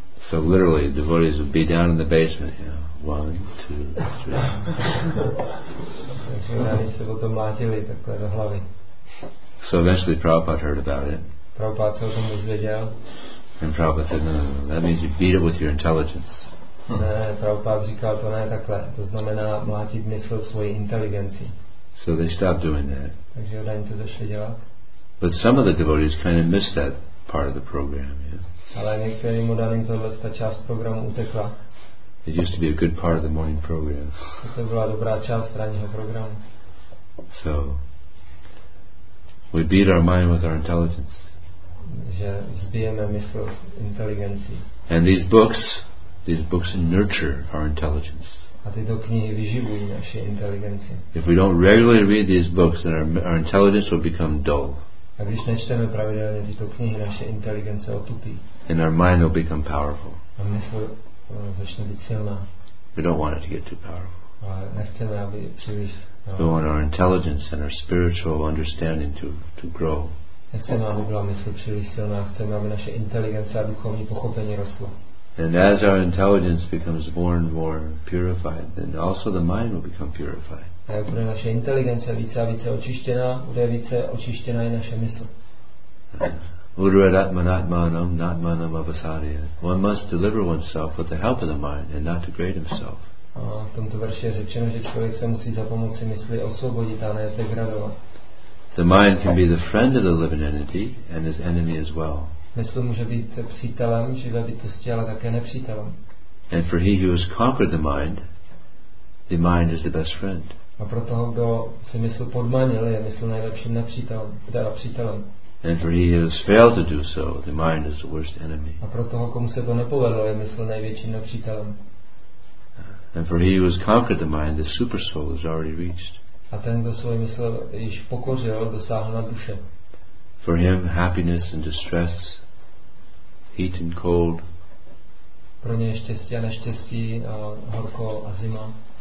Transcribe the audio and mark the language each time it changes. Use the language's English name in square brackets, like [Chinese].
[English] So literally, devotees would be down in the basement, you know, 1, 2, 3. [Czech] Takže oni se potom mlátili takhle do hlavy. [English] So eventually Prabhupada heard about it. [Czech] Prabhupada se o tom dozvěděl. [English] And Prabhupada said, no, that means you beat it with your intelligence. [Czech] Ne, Prabhupada říkal, to ne takhle. To znamená mlátit mysl svojí inteligenci. [English] So they stopped doing that. [Czech] Takže oni to začali dělat. [English] But some of the devotees kind of missed that part of the program, you know. [Czech] Ale některým modelům tohle ta část programu utekla. [English] It used to be a good part of the morning program. [Czech] To byla dobrá část ranního programu. [English] So we beat our mind with our intelligence. [Czech] Že zbijeme mysl inteligencí. [English] And these books nurture our intelligence. [Czech] A tyto knihy vyživují naši inteligenci. [English] If we don't regularly read these books, then our intelligence will become dull. [Czech] A když nečteme pravidelně tyto knihy, naše inteligence otupí. [English] And our mind will become powerful. [Czech] A mysl začne být silná. [English] We don't want it to get too powerful. [Czech] Nechceme, aby příliš, no. [English] We want our intelligence and our spiritual understanding to grow. [Czech] Nechceme, aby byla mysl příliš silná. Chceme, aby naše inteligence a duchovní pochopení rostlo. [English] And as our intelligence becomes more and more purified, then also the mind will become purified. [Czech] A jak bude naše inteligence více a více očištěná, bude více očištěná i naše mysl. [Sanskrit] Udradatmanatmanam, natmanam avasarya. [English] One must deliver oneself with the help of the mind and not degrade himself. [Czech] A v tomto verši je řečeno, že člověk se musí za pomoci mysli osvobodit a ne degradovat. [English] The mind can be the friend of the living entity and his enemy as well. [Czech] Mysl může být přítelem živé bytosti, ale také nepřítelem. [English] And for he who has conquered the mind is the best friend. [Czech] A pro toho, kdo si mysl podmanil, je mysl nejlepším nepřítelem, teda přítelem. [English] And for he who has failed to do so, the mind is the worst enemy. [Czech] A pro toho, komu se to nepovedlo, je mysl největším nepřítelem. [English] And for he who has conquered the mind, the super soul is already reached. [Czech] A ten, kdo svůj mysl již pokořil, dosáhl na duše. [English] For him, happiness and distress, heat and cold. [Czech] Pro něj štěstí a neštěstí, horko a zima.